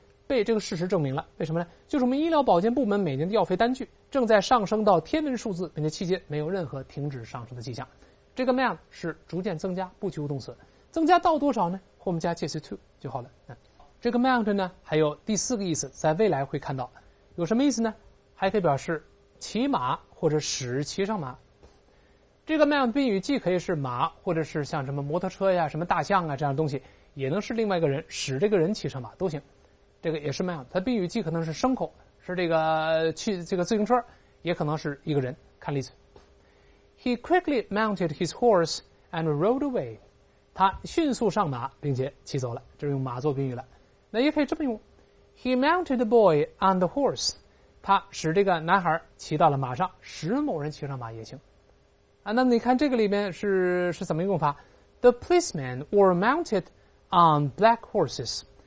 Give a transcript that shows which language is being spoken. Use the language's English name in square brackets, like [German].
[Chinese] 被这个事实证明了为什么呢就是我们医疗保健部门每年的药费单据正在上升到天文数字并且期间没有任何停止上升的迹象这个 mount 是逐渐增加不及物动词增加到多少呢后面加介词 to 就好了这个 mount 呢还有第四个意思在未来会看到有什么意思呢还可以表示骑马或者使骑上马这个 man 宾语既可以是马，或者是像什么摩托车呀、什么大象啊这样的东西，也能是另外一个人，使这个人骑上马都行。这个也是 man， 它宾语既可能是牲口，是这个去这个自行车，也可能是一个人。看例子 [English] ，He quickly mounted his horse and rode away。 [Chinese] 他迅速上马并且骑走了，这是用马做宾语了。那也可以这么用 ， [English] He mounted the boy on the horse。 [Chinese] 他使这个男孩骑到了马上，使某人骑上马也行。啊，那么你看这个里面是怎么用法 ？ [English] The policemen were mounted on black horses。